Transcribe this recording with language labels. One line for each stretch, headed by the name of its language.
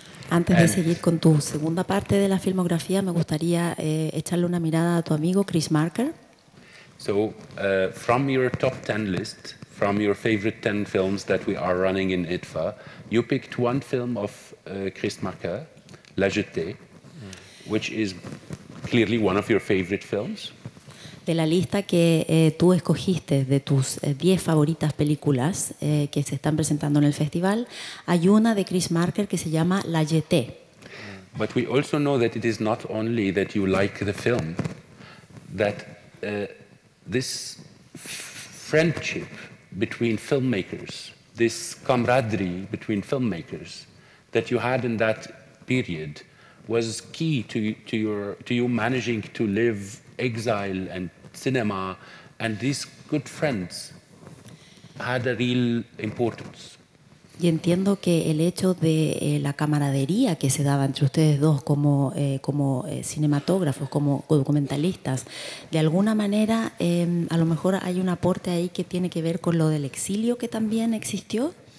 Spanish: Antes de seguir con tu segunda parte de la filmografía, me gustaría echarle una mirada a tu amigo Chris Marker.
English: So, from your top 10 list, from your favorite 10 films that we are running in ITFA, you picked one film of Chris Marker, La Jetée, which is clearly one of your favorite films.
Spanish: de la lista que tú escogiste de tus 10 favoritas películas que se están presentando en el festival, hay una de Chris Marker que se llama La Jetée.
English: But we also know that it is not only that you like the film, that this friendship between filmmakers, this camaraderie between filmmakers that you had in that period was key to you managing to live exile and cinema, and these good friends had a real importance.
Spanish: Y entiendo que el hecho de la camaradería que se daba entre ustedes dos como, como cinematógrafos, como documentalistas, de alguna manera a lo mejor hay un aporte ahí que tiene que ver con lo del exilio que también existió.